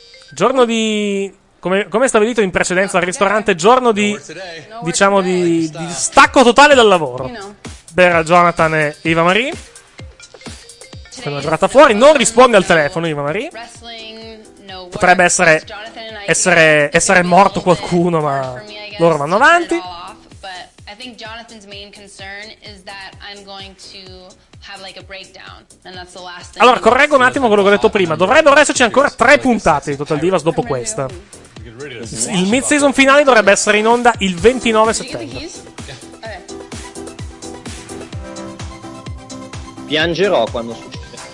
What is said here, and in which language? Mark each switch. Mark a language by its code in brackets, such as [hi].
[it] Giorno di, come stabilito in precedenza al ristorante, giorno di, diciamo, di stacco totale dal lavoro, [en] you know, [it] per Jonathan e Eva Marie. Sono girata fuori, non risponde al telefono Eva Marie. Potrebbe essere morto qualcuno, ma loro vanno avanti. [en] I think Jonathan's main concern is that I'm going to have like a breakdown, and that's the last thing. [it] Allora, correggo un attimo quello che ho detto prima. Dovrebbero esserci ancora tre puntate di Total Divas dopo questa. Il mid season finale dovrebbe essere in onda il 29 settembre. Piangerò quando succede.